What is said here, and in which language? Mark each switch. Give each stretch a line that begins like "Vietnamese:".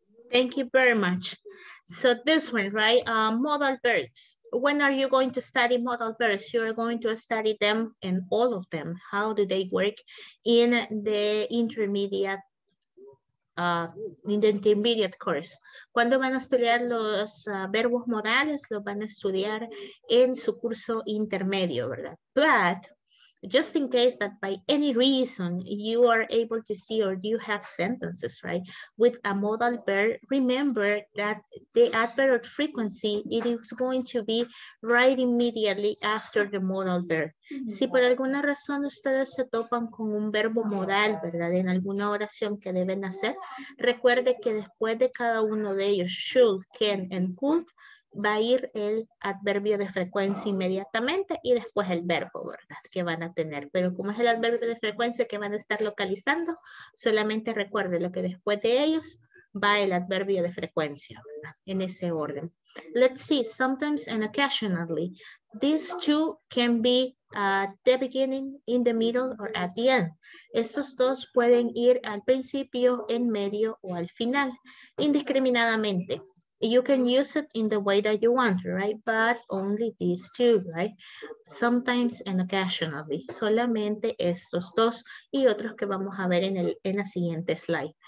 English: Thank you very much. So this one, right? Modal verbs. When are you going to study modal verbs? You are going to study them and all of them. How do they work in the intermediate in the intermediate course.
Spanish: Cuando van a estudiar los verbos modales, los van a estudiar en su curso intermedio, ¿verdad?
English: But just in case that by any reason you are able to see or you have sentences, right, with a modal verb, remember that the adverb of frequency, it is going to be right immediately after the modal verb.
Spanish: Si por alguna razón ustedes se topan con un verbo modal, ¿verdad?, en alguna oración que deben hacer, recuerde que después de cada uno de ellos, should, can, and could, va a ir el adverbio de frecuencia inmediatamente y después el verbo, ¿verdad?, que van a tener. Pero como es el adverbio de frecuencia que van a estar localizando, solamente recuerde lo que después de ellos va el adverbio de frecuencia, ¿verdad?, en ese orden.
English: Let's see, sometimes and occasionally, these two can be at the beginning, in the middle, or at the end.
Spanish: Estos dos pueden ir al principio, en medio o al final, indiscriminadamente.
English: You can use it in the way that you want, right? But only these two, right? Sometimes and occasionally.
Spanish: Solamente estos dos y otros que vamos a ver en la siguiente slide.